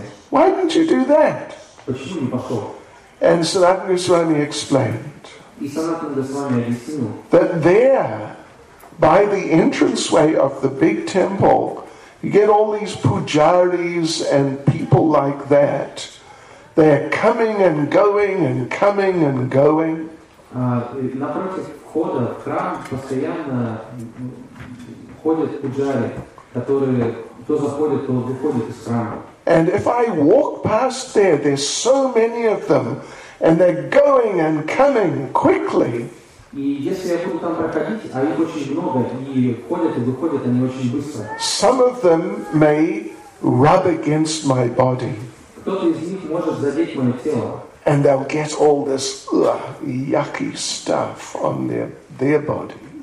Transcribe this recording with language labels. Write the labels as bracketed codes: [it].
[en] Why didn't you do that? And Sanatana Goswami explained that there, by the entranceway of the big temple, you get all these pujaris and people like that. They're coming and going and coming and going. [ru] Напротив входа в храм постоянно ходят пуджари, которые то заходят, то выходят из храма. [en] And if I walk past there, there's so many of them, and they're going and coming quickly. [ru] И если я буду там проходить, а их очень много, и ходят и выходят они очень быстро. [en] Some of them may rub against my body. [ru] Кто-то из них может задеть мое тело. [en] And they'll get all this yucky stuff on their body.